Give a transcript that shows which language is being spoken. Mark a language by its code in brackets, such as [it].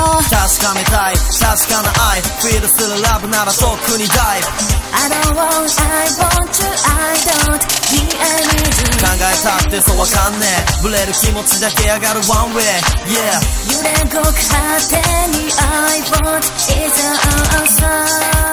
[ja] 確かめたい、確かな愛、フィールするラブならとっくにダイブ。 [en] I don't want, I want you, I don't need you. [ja] 考えたってそうわかんねえ、ブレる気持ちだけ上がる One way、yeah. 揺れ動く果てに I want is an answer